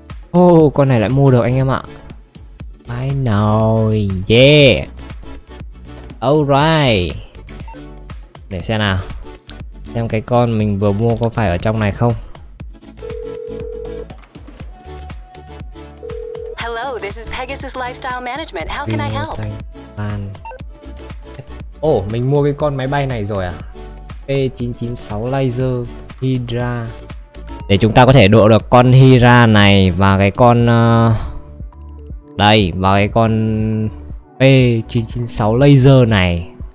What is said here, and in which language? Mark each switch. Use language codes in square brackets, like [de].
[vi] Ồ, con này lại mua được anh em ạ. [en] I know, yeah. Alright. [vi] Để xem nào. Xem cái con mình vừa mua có phải ở trong này không. [en] Hello, this is Pegasus Lifestyle Management. How can I help? [vi] Oh, mình mua cái con máy bay này rồi à? P996 Laser Hydra. Để chúng ta có thể độ được con Hydra này và cái con Đây, vào cái con P996 laser này.